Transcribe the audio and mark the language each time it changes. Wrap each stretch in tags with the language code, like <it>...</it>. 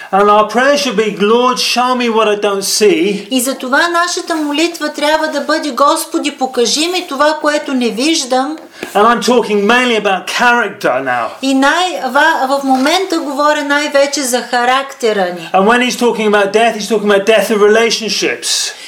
<en>And our prayer should be, Lord, show me what I don't see.</en> <bg>И затова нашата молитва трябва да бъде, Господи, покажи ми това, което не виждам.</bg> <en>And I'm talking mainly about character now.</en> <bg>И в момента говоря най-вече за характера ни.</bg> <en>And when he's talking about death, he's talking about death of relationships.</en>